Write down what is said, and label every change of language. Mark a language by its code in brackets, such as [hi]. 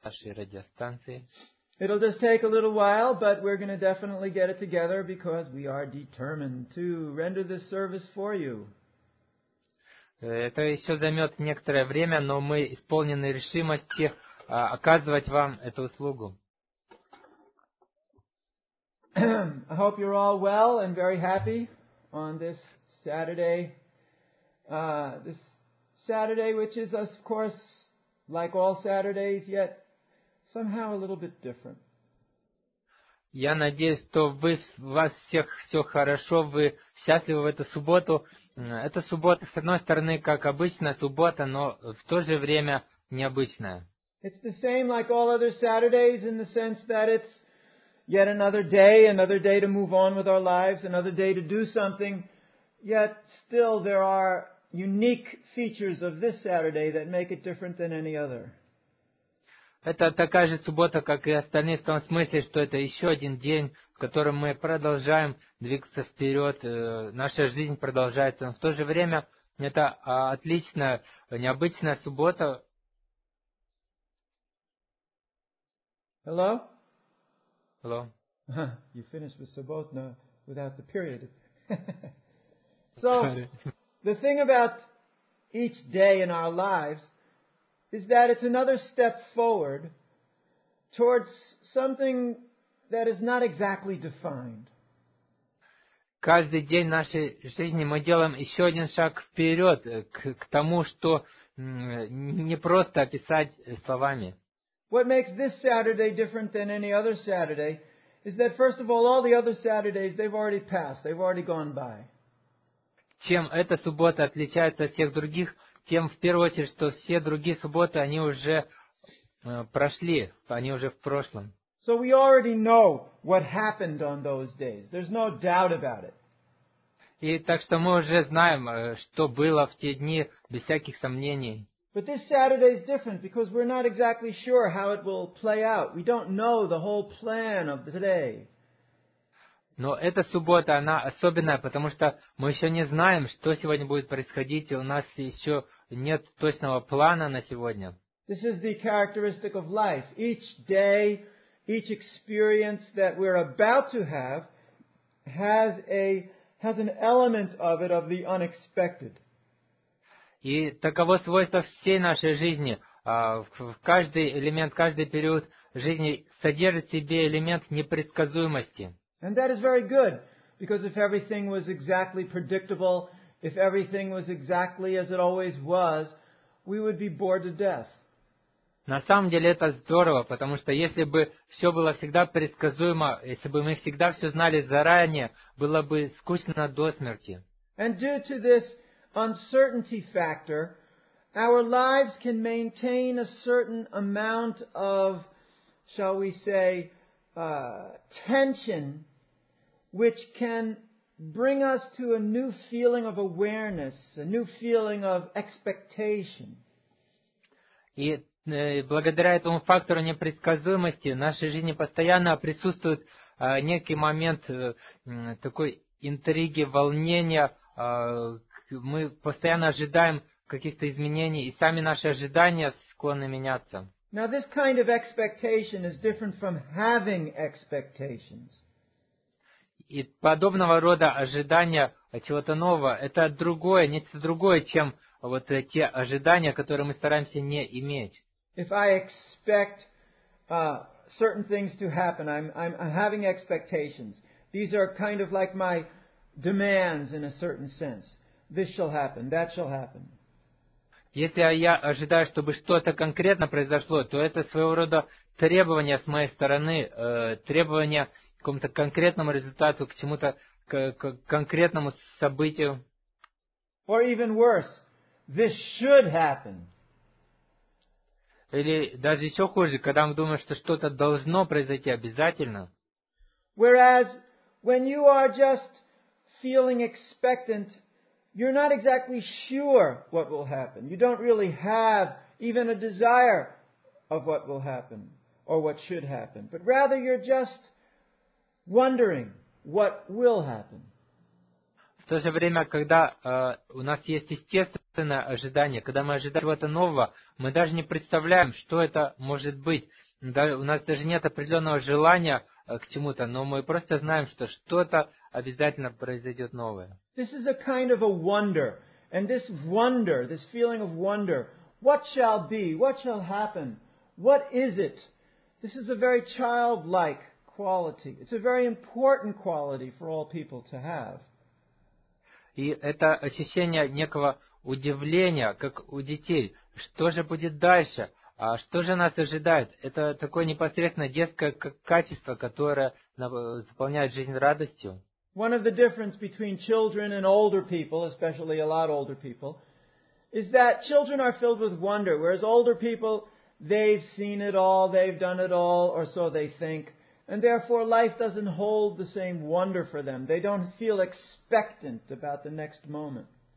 [en] It will just take a little while, but we're going to definitely get it together because we are determined to render this service for you. [ru] Это еще займет некоторое время, но мы исполнены решимости оказывать вам эту услугу. [en] I hope you're all well and very happy on this Saturday. This Saturday, which is, of course, like all Saturdays, yet somehow a little bit different. [ru] Я надеюсь, что вы, у вас всех все хорошо, вы счастливы в эту субботу. Эта суббота, с одной стороны, как обычная суббота, но в то же время необычная. [en] It's the same like all other Saturdays in the sense that it's yet another day to move on with our lives, another day to do something. Yet still there are unique features of this Saturday that make it different than any other. [ru] Это такая же суббота, как и остальные, в том смысле, что это еще один день, в котором мы продолжаем двигаться вперед, наша жизнь продолжается. Но в то же время это отличная, необычная суббота. [en] Hello? Hello. You finished with subotna without the period. So, the thing about each day in our lives is that it's another step forward towards something that is not exactly defined. [ru] Каждый день нашей жизни мы делаем еще один шаг вперед к тому, что не просто описать словами. [en] What makes this Saturday different than any other Saturday is that, first of all the other Saturdays, they've already passed, they've already gone by. [ru] Чем эта суббота отличается от всех других, тем, в первую очередь, что все другие субботы, они уже прошли, они уже в прошлом. [en] So we already know what happened on those days. There's no doubt about it. [ru] И так что мы уже знаем, что было в те дни, без всяких сомнений. [en] But this Saturday is different because we're not exactly sure how it will play out. We don't know the whole plan of today. [ru] Но эта суббота, она особенная, потому что мы еще не знаем, что сегодня будет происходить, и у нас еще нет точного плана на сегодня. [en] This is the characteristic of life. Each day, each experience that we're about to have has an element of it, of the unexpected. [ru] И таково свойство всей нашей жизни. Каждый элемент, каждый период жизни содержит в себе элемент непредсказуемости. [en] And that is very good, because if everything was exactly predictable, if everything was exactly as it always was, we would be bored to death. [ru] На самом деле это здорово, потому что если бы все было всегда предсказуемо, если бы мы всегда все знали заранее, было бы скучно до смерти. [en] And due to this uncertainty factor, our lives can maintain a certain amount of, shall we say, tension, which can bring us to a new feeling of awareness, a new feeling of expectation. [ru] И благодаря этому фактору непредсказуемости в нашей жизни постоянно присутствует некий момент такой интриги, волнения. Мы постоянно ожидаем каких-то изменений, и сами наши ожидания склонны меняться. [en] Now this kind of expectation is different from having expectations. [ru] И подобного рода ожидания чего-то нового – это другое, нечто другое, чем вот те ожидания, которые мы стараемся не иметь. [en] If I expect certain things to happen, I'm having expectations. These are kind of like my demands in a certain sense. This shall happen, that shall happen. [ru] Если я ожидаю, чтобы что-то конкретно произошло, то это своего рода требование с моей стороны, требование к какому-то конкретному результату, к чему-то конкретному событию. [en] Or even worse, this should happen. [ru] Или даже еще хуже, когда мы думаем, что что-то должно произойти обязательно. [en] Whereas, when you are just feeling expectant, you're not exactly sure what will happen. You don't really have even a desire of what will happen or what should happen. But rather, you're just wondering what will happen. [ru] В то же время, когда у нас есть естественное ожидание, когда мы ожидаем чего-то нового, мы даже не представляем, что это может быть. Да, у нас даже нет определенного желания к чему-то, но мы просто знаем, что что-то обязательно произойдет новое. [en] This is a kind of a wonder. And this wonder, this feeling of wonder, what shall be, what shall happen, what is it? This is a very childlike quality. It's a very important quality for all people to have. [ru] И это ощущение некого удивления, как у детей. Что же будет дальше? А что же нас ожидает? Это такое непосредственно детское качество, которое заполняет жизнь радостью. [en] One of the differences between children and older people, especially a lot older people, is that children are filled with wonder, whereas older people, they've seen it all, they've done it all, or so they think. And therefore, life doesn't hold the same wonder for them. They don't feel expectant about the next moment.